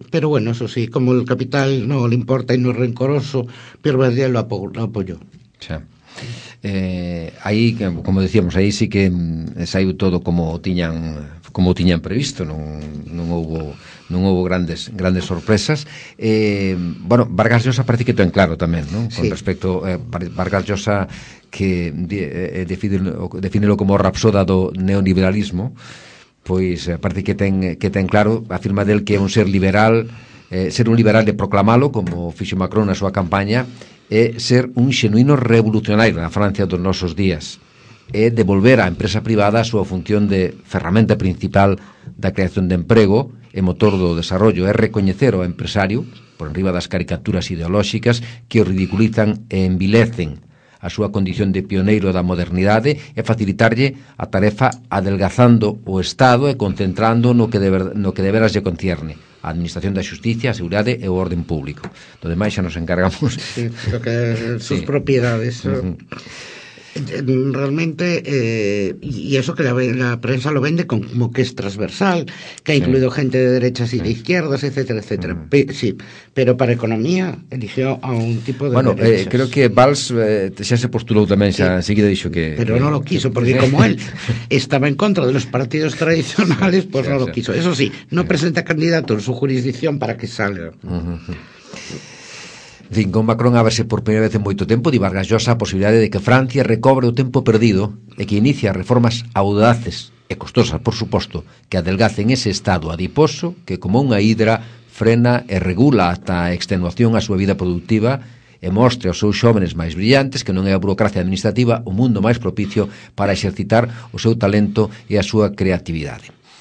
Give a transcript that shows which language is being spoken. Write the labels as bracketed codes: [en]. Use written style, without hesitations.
[es] Pero bueno, eso sí, como el capital no le importa y no es rencoroso, Pierre Bardier lo apoyó. [gl] Aí, como decíamos, aí sí que saiu todo como tiñan previsto, non houbo grandes sorpresas. Bueno, Vargas Llosa parece que ten claro tamén, non? Con sí. respecto Vargas Llosa que definilo como rapsoda do neoliberalismo, pois parece que ten claro, afirma del que é un ser liberal, ser un liberal de proclamalo como fixo Macron na súa campaña, é ser un xenuíno revolucionario na Francia dos nosos días, é devolver á empresa privada a súa función de ferramenta principal da creación de emprego e motor do desarrollo, é recoñecer ao empresario por enriba das caricaturas ideolóxicas que o ridiculizan e envilecen a súa condición de pioneiro da modernidade, e facilitarlle a tarefa adelgazando o Estado e concentrando no que deberas lle concierne: a administración da xustiza, a seguridade e o orden público. Do demais xa nos encargamos. [es] Sí, que sus sí. propiedades. Realmente, y eso que la prensa lo vende como que es transversal, que ha incluido sí. gente de derechas y de izquierdas, etcétera, etcétera. Uh-huh. Sí, pero para economía eligió a un tipo de bueno, derechas. Bueno, creo que Valls ya se postuló también, ya sí. enseguida dijo que... Pero no lo quiso, porque como él estaba en contra de los partidos tradicionales, pues sí, no lo sí. quiso. Eso sí, no sí. presenta candidato en su jurisdicción para que salga. Uh-huh. [gl] Con Macron a verse por primeira vez en moito tempo, di Vargas Llosa a posibilidade de que Francia recobre o tempo perdido e que inicia reformas audaces e costosas, por suposto, que adelgacen ese estado adiposo que, como unha hidra, frena e regula ata a extenuación a súa vida productiva e mostre aos seus xóvenes máis brillantes que non é a burocracia administrativa o mundo máis propicio para exercitar o seu talento e a súa creatividade.